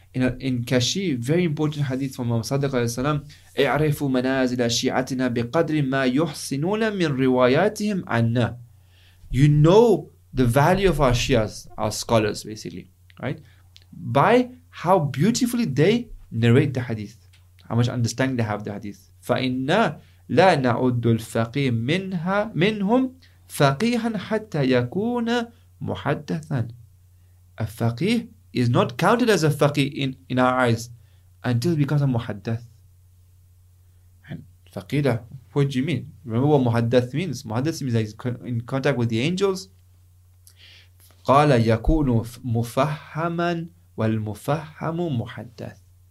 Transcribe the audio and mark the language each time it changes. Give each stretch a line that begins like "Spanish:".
English: In Kashi, very important hadith from Imam Sadiq alayhi salam,
Arabic: اِعْرِفُوا مَنَازِلَ شِيَعَتِنَا بِقَدْرِ مَا يُحْسِنُونَ مِنْ رِوَايَاتِهِمْ عَنَّا.
English: You know the value of our Shias, our scholars, basically, right? By how beautifully they narrate the hadith, how much understanding they have the hadith.
Arabic: فَإِنَّا لَا نَعُدُّ الْفَقِيْهِ مِنْهُمْ فَقِيْهًا حَتَّى يَكُونَ Muhaddathan.
English: A faqih is not counted as a faqih in our eyes until it becomes a muhaddath. And faqida, what do you mean? Remember what muhaddath means? Muhaddath means that he's in contact with the angels.
Arabic: Qala yakunu mufahhaman wal mufahhamu muhaddath.